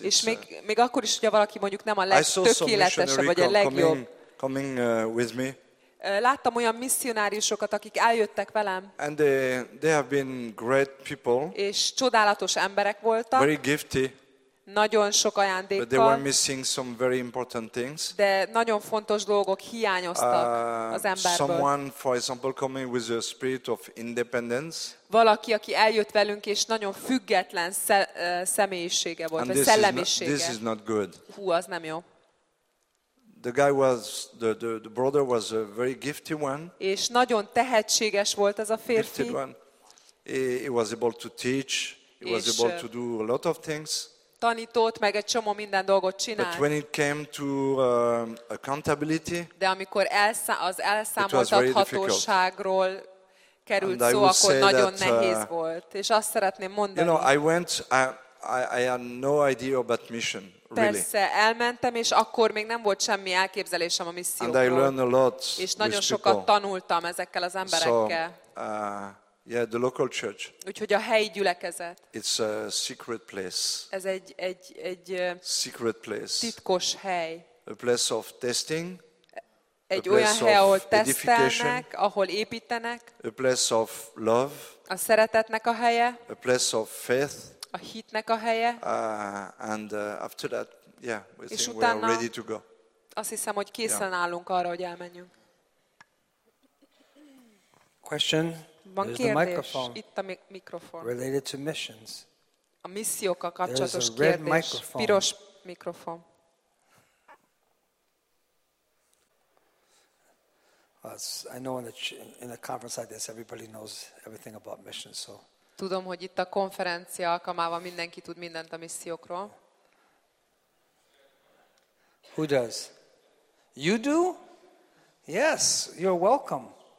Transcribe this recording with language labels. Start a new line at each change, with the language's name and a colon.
Hungarian: és még akkor is, hogyha valaki mondjuk nem a legtökéletesebb vagy a legjobb.
English: Coming with me.
Hungarian: Láttam olyan misszionáriusokat, akik eljöttek velem.
English: And they have been great people.
Hungarian: És csodálatos emberek voltak.
English: Very gifty.
Hungarian: Nagyon sok ajándékkal.
English: But they were missing some very important things.
Hungarian: De nagyon fontos dolgok hiányoztak az emberből.
English: Someone, for example, coming with a spirit of independence.
Hungarian: Valaki, aki eljött velünk, és nagyon független személyisége volt,
English: and
Hungarian: vagy szellemisége.
English: This is not good.
Hungarian: Hú, az nem jó.
English: The guy was the brother was a very gifty one.
Hungarian: És nagyon tehetséges volt ez a férfi.
English: He was able to teach. He was able to do a lot of things.
Hungarian: Tanított, meg egy csomó minden dolgot csinált.
English: But when it came to accountability,
Hungarian: de amikor az elszámoltathatóságról került szó, akkor nagyon nehéz volt. És azt szeretném mondani.
English: You know, I went, I had no idea about mission, really.
Hungarian: Persze, elmentem, és akkor még nem volt semmi elképzelésem a misszióról.
English: And I learned a lot.
Hungarian: És nagyon sokat tanultam ezekkel az emberekkel.
English: So, yeah, the local church.
Hungarian: Úgyhogy a helyi gyülekezet.
English: It's a secret place.
Hungarian: Ez egy
English: secret place.
Hungarian: Titkos hely.
English: A place of testing.
Hungarian: Egy olyan hely, ahol tesztelnek, ahol építenek.
English: A place of love.
Hungarian: A szeretetnek a helye.
English: A place of faith.
Hungarian: A hitnek a helye.
English: And after that, yeah, we think we are ready to go.
Hungarian: azt hiszem, hogy készen állunk arra, hogy elmenjünk.
English: Question.
Hungarian: Van kérdés? Itt a mikrofon.
English: Related to missions.
Hungarian: A missziókkal kapcsolatos kérdés. Piros mikrofon.
English: I know in a conference like this, everybody knows everything about missions. So.
Hungarian: Tudom, hogy itt a konferencia alkalmával mindenki tud mindent a missziókról.
English: Who does? You do? Yes, you're welcome.